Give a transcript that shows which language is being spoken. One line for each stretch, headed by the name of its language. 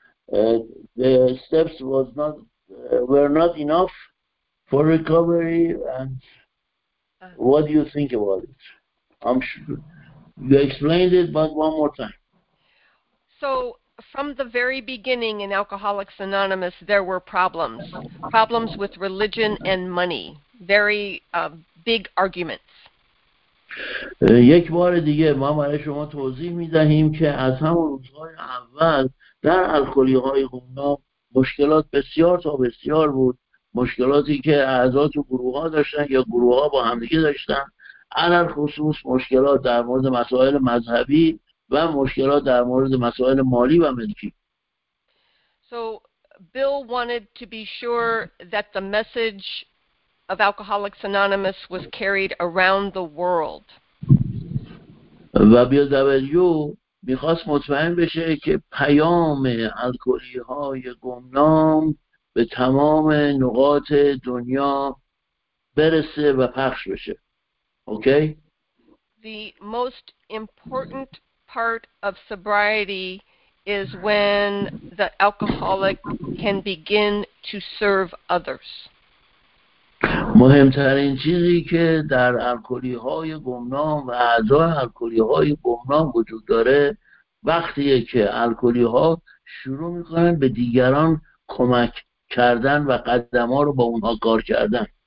English: The steps were not enough for recovery, and what do you think about it? I'm sure you explained it, but one more time. So from the very beginning in Alcoholics Anonymous, there were problems with religion and money, very big arguments.
Persian: یک بار دیگه ما برای شما توضیح می دهیم که از همون روزهای اول در الکلی های گمنام مشکلات بسیار تا بسیار بود، مشکلاتی که اعضای گروه ها داشتن یا گروه ها با همدیگه داشتن، علل خصوص مشکلات در مورد مسائل مذهبی و مشکلات در مورد مسائل مالی و ملکی.
English: So Bill wanted to be sure that the message of Alcoholics Anonymous was carried around the world.
Persian: و BW میخواست مطمئن بشه که پیام الکلی های گمنام به تمام نقاط دنیا برسه و پخش بشه.
English: Okay? The most important part of sobriety is when the alcoholic can begin to serve others.
Persian: مهمترین چیزی که در الکلی های گمنام و اعضای الکلی های گمنام وجود داره وقتیه که الکلی ها شروع میکنن به دیگران کمک کردن و قدم ها رو با اونها کار کردن.